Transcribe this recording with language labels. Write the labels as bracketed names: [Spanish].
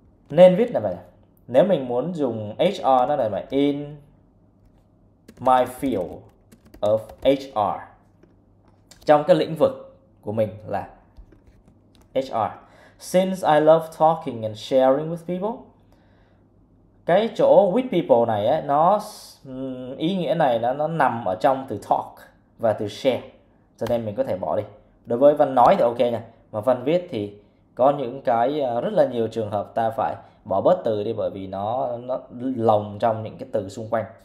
[Vietnamese] Nên viết là vậy. Nếu mình muốn dùng HR nó là vậy. [English] In my field of HR. [Vietnamese] Trong cái lĩnh vực của mình là [English] HR. Since I love talking and sharing with people. [Vietnamese] Cái chỗ with people này ấy, nó ý nghĩa này nó nằm ở trong từ talk và từ share. Cho nên mình có thể bỏ đi. Đối với văn nói thì ok nha, mà văn viết thì có những cái rất là nhiều trường hợp ta phải bỏ bớt từ đi, bởi vì nó lồng trong những cái từ xung quanh.